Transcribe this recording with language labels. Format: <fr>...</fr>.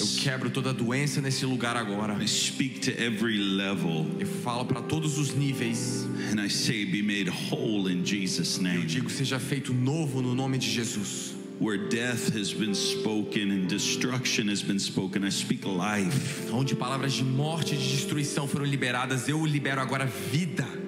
<pt>Eu quebro toda a doença nesse lugar agora.</pt> <en>I speak to every level.</en> <pt>Eu falo para todos os níveis.</pt> <en>And I say be made whole in Jesus' name.</en> <pt>Eu digo seja feito novo no nome de Jesus.</pt> <en>Where death has been spoken and destruction has been spoken, I speak life.</en> <pt>Onde palavras de morte e de destruição foram liberadas, eu libero agora vida.</pt>